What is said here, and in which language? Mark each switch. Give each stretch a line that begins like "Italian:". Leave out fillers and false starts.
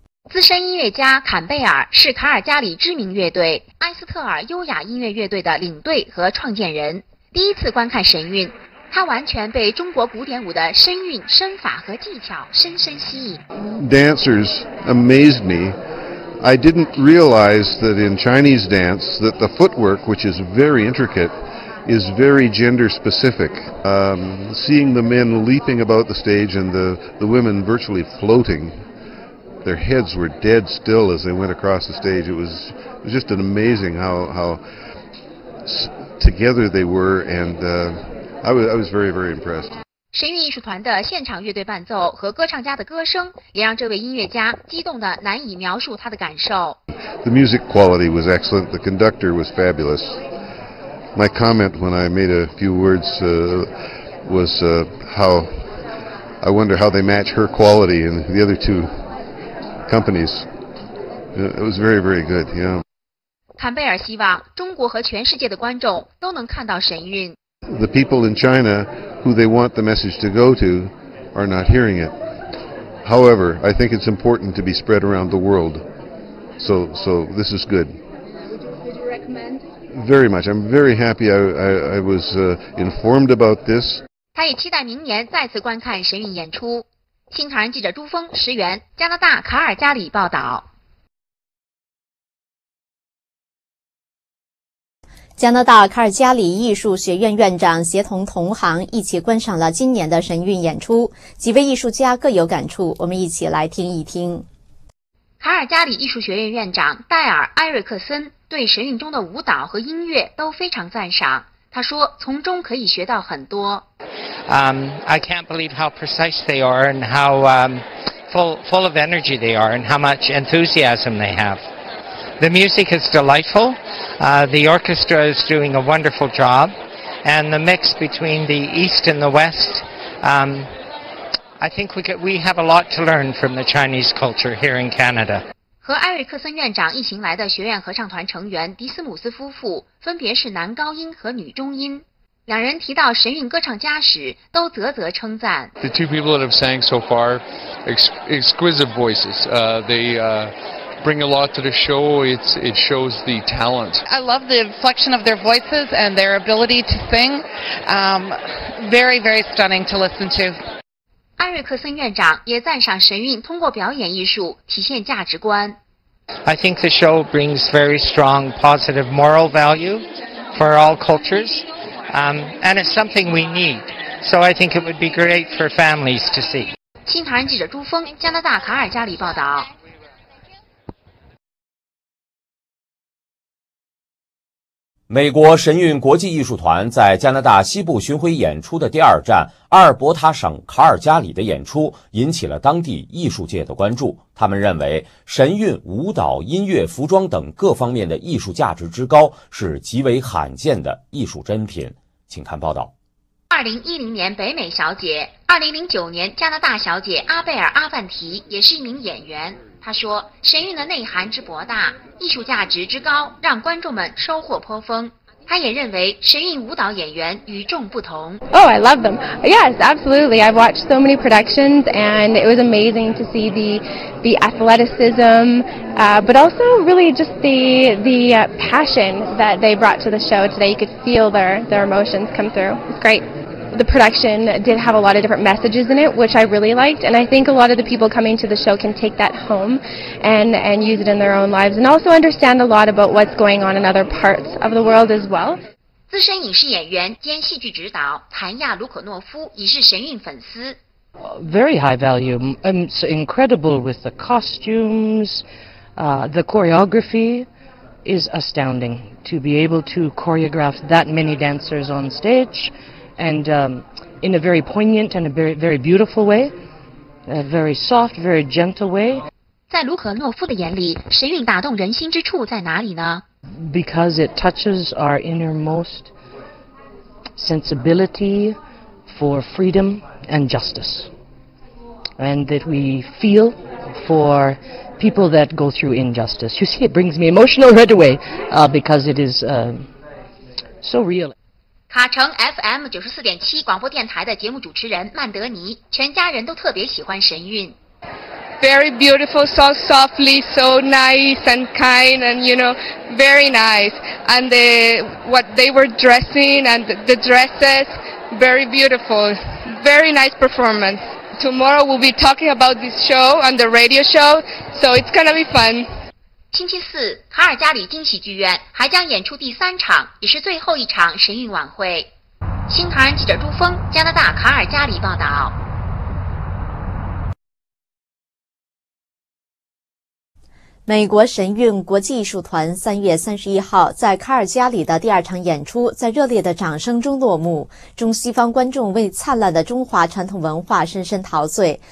Chinese: 资深音乐家坎贝尔是卡尔加里知名乐队埃斯特尔优雅音乐乐队的领队和创建人。第一次观看神韵，他完全被中国古典舞的身韵、身法和技巧深深吸引。
English: Dancers amazed me. I didn't realize that in Chinese dance that the footwork, which is very intricate, is very gender specific. Seeing the men leaping about the stage and the women virtually floating, their heads were dead still as they went across the stage. It was just an amazing how together they were and I was very, very impressed.
Chinese: 神韵艺术团的现场乐队伴奏和歌唱家的歌声也让这位音乐家激动得难以描述他的感受。
English: The music quality was excellent. The conductor was fabulous. My comment when I made a few words was how I wonder how they match her quality and the other two companies. It was very, very good, yeah.
Chinese: 坎贝尔希望中国和全世界的观众都能看到神韵。
English: The people in China who they want the message to go to are not hearing it. However, I think it's important to be spread around the world. So this is good. Would you recommend? Very much. I'm very happy I was informed about this.
Chinese: 他也期待明年再次观看神韵演出。新唐人记者朱峰、石原，加拿大卡尔加里报道。加拿大卡尔加里艺术学院院长协同同行一起观赏了今年的神韵演出，几位艺术家各有感触，我们一起来听一听。卡尔加里艺术学院院长戴尔·埃瑞克森对神韵中的舞蹈和音乐都非常赞赏，他说从中可以学到很多。
English: I can't believe how precise they are and how full of energy they are and how much enthusiasm they have. The music is delightful. The orchestra is doing a wonderful job. And the mix between the East and the West, I think we have a lot to learn from the Chinese culture here in Canada.
Chinese: 和艾瑞克森院长一行来的学院合唱团成员迪斯姆斯夫妇分别是男高音和女中音。两人提到神韵歌唱家时都啧啧称赞。
English: The two people that have sang so far, exquisite voices. They bring a lot to the show. It shows the talent. I love the inflection of their voices and their ability to sing. Very, very stunning to listen to.
Chinese: 艾瑞克森院长也赞赏神韵通过表演艺术体现价值观。
English: I think the show brings very strong positive moral value for all cultures, and it's something we need. So I think it would be great for families to see.
Chinese: 新唐人记者朱峰，加拿大卡尔加里报道。美国神韵国际艺术团在加拿大西部巡回演出的第二站阿尔伯塔省卡尔加里的演出引起了当地艺术界的关注，他们认为神韵舞蹈、音乐、服装等各方面的艺术价值之高是极为罕见的艺术珍品。请看报道。 2010年北美小姐、2009年加拿大小姐阿贝尔·阿范提也是一名演员，他说神韵的内涵之博大，艺术价值之高，让观众们收获颇丰。他也认为神韵舞蹈演员与众不同。
English: Oh, I love them. Yes, absolutely. I've watched so many productions and it was amazing to see the athleticism, but also really just the passion that they brought to the show today. You could feel their emotions come through. It's great. The production did have a lot of different messages in it, which I really liked, and I think a lot of the people coming to the show can take that home and use it in their own lives, and also understand a lot about what's going on in other parts of the world as well.
Chinese: 资深影视演员兼戏剧指导谭亚·卢可诺夫已是神韵粉丝。
English: Very high value. It's incredible with the costumes. The choreography is astounding. To be able to choreograph that many dancers on stage. And in a very poignant and a very, very beautiful way, a very soft, very gentle way.
Chinese: 在卢可诺夫的眼里，神韵打动人心之处在哪里呢？
English: Because it touches our innermost sensibility for freedom and justice. And that we feel for people that go through injustice. You see, it brings me emotional right away, because it is, so real.
Chinese: 卡城 FM 94.7广播电台的节目主持人曼德尼，全家人都特别喜欢神韵。
English: Very beautiful, so softly, so nice and kind and, you know, very nice. And the, what they were dressing and the dresses, very beautiful. Very nice performance. Tomorrow we'll be talking about this show on the radio show, so it's gonna be fun.
Chinese: 星期四，卡尔加里惊喜剧院还将演出第三场，也是最后一场神韵晚会。新唐人记者朱峰，加拿大卡尔加里报道。美国神韵国际艺术团3月31号在卡尔加里的第二场演出在热烈的掌声中落幕，中西方观众为灿烂的中华传统文化深深陶醉。